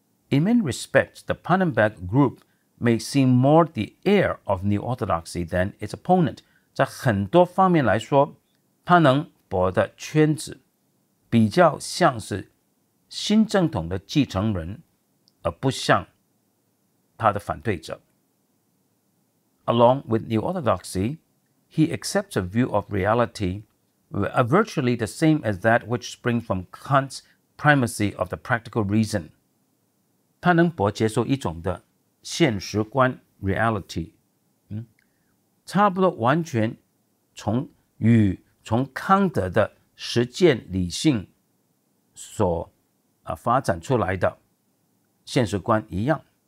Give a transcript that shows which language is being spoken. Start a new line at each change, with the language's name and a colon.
English: In many respects, the Pannenberg group may seem more the heir of New Orthodoxy than its opponent.
Chinese: 在很多方面来说，潘恩伯的圈子比较像是新正统的继承人，而不像他的反对者。
English: Along with New Orthodoxy, he accepts a view of reality virtually the same as that which springs from Kant's primacy of the practical reason.
Chinese: 潘恩伯接受一种的现实观 reality， 差不多完全从康德的实践理性所发展出来的现实观一样。